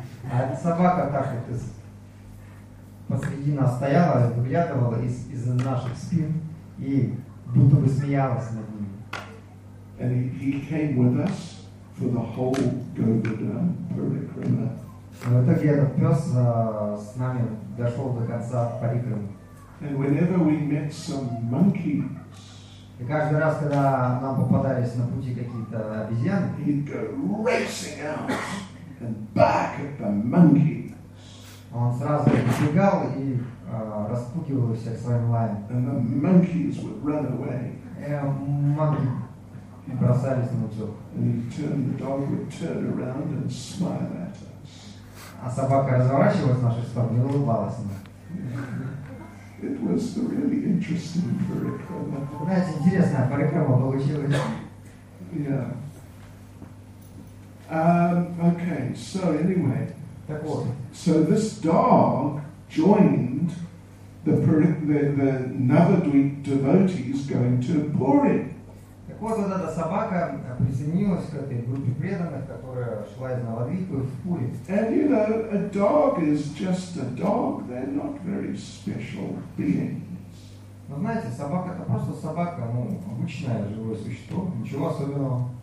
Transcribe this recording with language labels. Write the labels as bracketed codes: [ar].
[ru] А эта собака так вот посреди нас стояла, выглядывала из наших спин и будто бы смеялась над ними. [en] And he came with us for the whole Govardhan Parikrama. [ru] Да. В итоге этот пес с нами дошел до конца парикрамы. [en] And whenever we met some monkeys, [ru] и каждый раз, когда нам попадались на пути какие-то обезьяны, [en] he'd go racing out and back at the monkeys. [ru] Он сразу убегал и распугивал всех своим лаем. [en] And the monkeys would run away. [ru] Монки бросались на утёк. [en] And he'd turn, the dog would turn around and smile at us. [ru] А собака разворачивалась в нашу сторону и улыбалась нам. [en] It was a really interesting parikrama. [ru] Знаете, интересная парикрама получилась. [en] Yeah. Okay. So anyway. [ru] Так вот. [en] So this dog joined the Navadvip devotees going to Purim. [ru] Так вот, вот эта собака присоединилась к этой группе преданных, которая шла из Навадвипы в Пурим. [en] And you know, a dog is just a dog. They're not very special beings. [ru] Но знаете, собака — это просто собака, ну, обычное живое существо, ничего особенного.